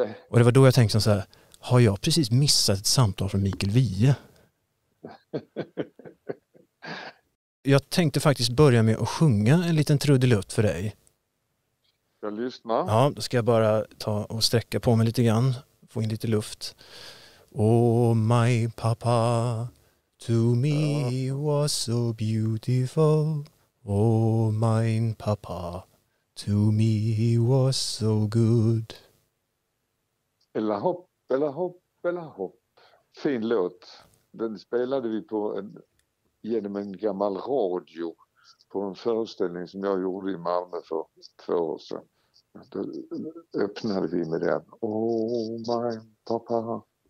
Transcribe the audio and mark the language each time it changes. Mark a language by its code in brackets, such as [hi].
[sv] Okay. Och det var då jag tänkte så här, har jag precis missat ett samtal från Mikael Wiehe? Jag tänkte faktiskt börja med att sjunga en liten trudelutt för dig. Ska jag lyssna? Ja, då ska jag bara ta och sträcka på mig lite grann. Få in lite luft. [en] Oh my papa, to me was so beautiful. Oh my papa, to me was so good. [sv] Bella hopp. Fin låt. Den spelade vi på genom en gammal radio på en föreställning som jag gjorde i Malmö för 2 år sedan. Då öppnade vi med den. Oh my papa.